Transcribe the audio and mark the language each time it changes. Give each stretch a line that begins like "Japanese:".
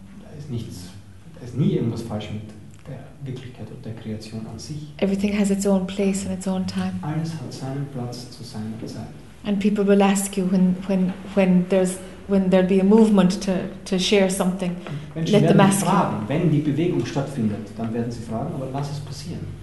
German: Da ist nie irgendwas falsch mit der Wirklichkeit oder der Kreation an sich.
English: Everything has its own place and its own time.
German: Alles hat seinen Platz zu seiner Zeit.
English: And people will ask you when there'll be a movement to share something. Let them ask
German: fragen, wenn die Bewegung stattfindet, dann werden sie fragen, aber lass es passieren.